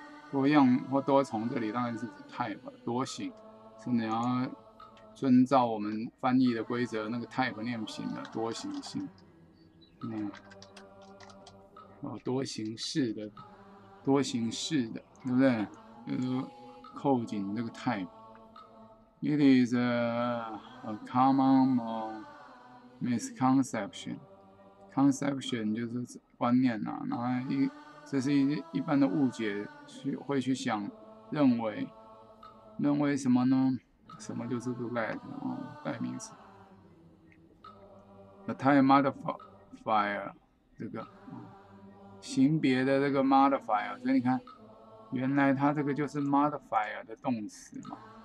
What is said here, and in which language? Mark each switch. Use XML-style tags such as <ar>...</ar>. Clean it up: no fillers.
<zh>多样或多重这里当然是指 type， 多型，是你要遵照我们翻译的规则，那个 type 念品的多形性，多形式的，多形式的，对不对？就是扣紧这个 type。</zh> <en>It is a common misconception.</en> <zh>Conception 就是观念啊，然后这是一般的误解，会去想认为什么呢？什么就是 let 代名词 ，</zh> <en>the type modifier</en> <zh>这个型别的这个 modifier， 所以你看，原来它这个就是 modifier 的动词嘛。</zh>